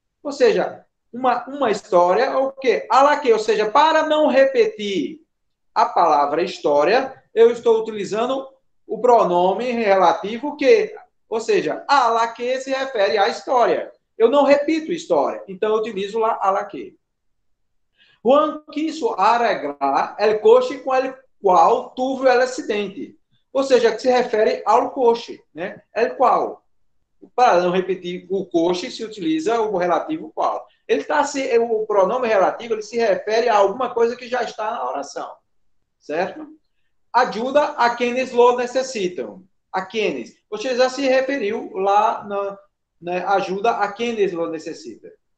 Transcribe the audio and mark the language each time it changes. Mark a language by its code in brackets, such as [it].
[pt] Ou seja, uma história, o quê? A la que, ou seja, para não repetir a palavra história, eu estou utilizando o pronome relativo que. Ou seja, a la que se refere à história. Eu não repito história, então eu utilizo lá a la que. [es] Juan quiso arreglar el coche con el cual tuvo el accidente. [pt] Ou seja, que se refere ao coche, né? [es] El cual. [pt] Para não repetir, o coxe se utiliza o relativo qual. O pronome relativo, ele se refere a alguma coisa que já está na oração. Certo? Ajuda a quienes lo necessitam. A quienes? Você já se referiu lá na, né, ajuda a quienes lo necessitam.